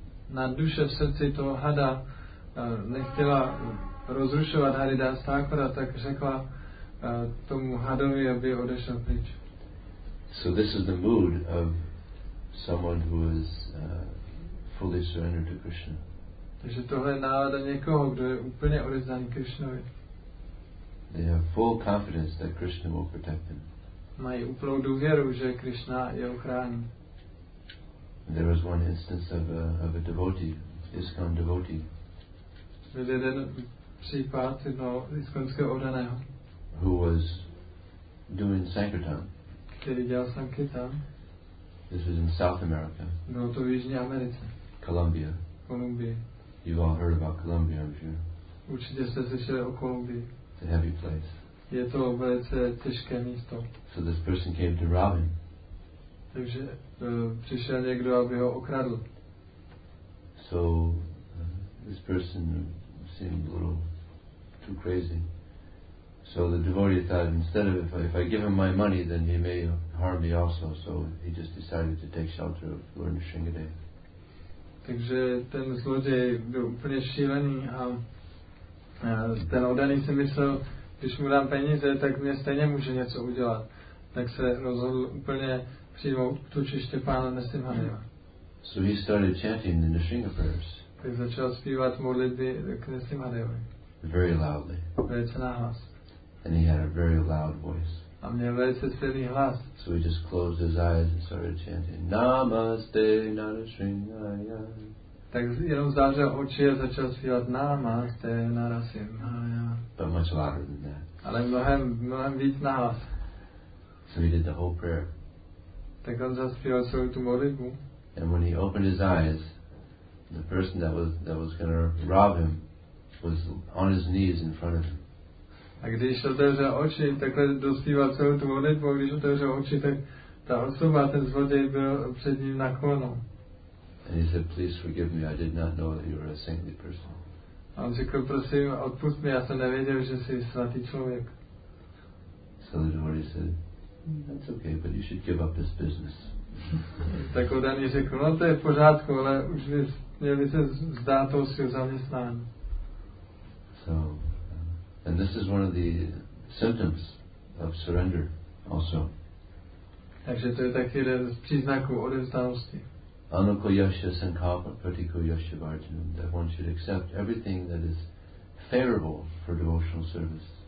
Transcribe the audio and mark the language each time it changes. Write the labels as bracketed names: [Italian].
[Czech] Na duše v srdci toho hada nechtěla rozrušovat Haridas Thakura, tak řekla tomu hadovi, aby odešel pryč. [English] So this is the mood of someone who is fully surrendered to Krishna. [Czech] Takže tohle je nálada někoho, kdo je úplně odevzdaný Krishnovi. [English] They have full confidence that Krishna will protect them. [Czech] Mají úplnou důvěru, že Krishna je ochrání. [English] There was one instance of a devotee, ISKCON devotee. [Czech] Byl jeden případ jednoho iskonského odaného. [English] Who was doing sankirtan? [Czech] Který dělal sankirtan? [English] This was in South America. [Czech] No, to v Jižní Americe. [English] Colombia. [Czech] Colombia. [English] You've all heard about Colombia, I'm sure. [Czech] Určitě jste slyšeli o Kolumbii. [English] It's a heavy place. [Czech] Je to velice těžké místo. [English] So this person came to rob him. [Czech] Takže přišel někdo, aby ho okradl. [English] So this person seemed a little too crazy. So the devotee thought, instead of if I give him my money, then he may harm me also. So he just decided to take shelter of Lord Nrisimhadev. [Czech] Takže ten zloděj byl úplně šílený a ten oddaný si myslel, když mu dám peníze, tak mě stejně může něco udělat. Tak se rozhodl úplně přijmout tučiště pána Nrisimhadeva. [English] So he started chanting the Nrisimha prayers. [Czech] Tak začal zpívat modlitby k Nrisimhadevovi. [English] Very loudly. [Czech] Velice nahlas. [English] And he had a very loud voice. [Czech] A měl velice silný hlas. [English] So he just closed his eyes and started chanting, [Sanskrit] Namaste Narasimhaya. [Czech] tak jenom zářil oči a začal zpívat [Sanskrit] Namaste Narasimhaya. [English] But much louder than that. [Czech] Ale mnohem, mnohem víc nahlas. [English] So he did the whole prayer. [Czech] Tak on zaspíval celou tu modlitbu. [English] And when he opened his eyes, the person that was going to rob him was on his knees in front of him. [Czech] A když otevřel oči, takhle dospíval celou tu modlitbu, když otevřel oči, tak ta osoba, ten zloděj, byl před ním na kolenou. [English] And he said, please forgive me, I did not know that you were a saintly person. [Czech] A on řekl, prosím, odpust mi, já jsem nevěděl, že jsi svatý člověk. [English] So the devotee said, that's okay, but you should give up this business. [Czech] Tak Odaný řekl, no to je v pořádku, ale už bys měl se vzdát toho svého zaměstnání. [English] So, and this is one of the symptoms of surrender also. [Czech] Takže to je taky jeden z příznaků odevzdanosti. [Sanskrit] Anukoyasya sankalpa pratikoyasya vartanam, [English] that one should accept everything that is favorable for devotional service.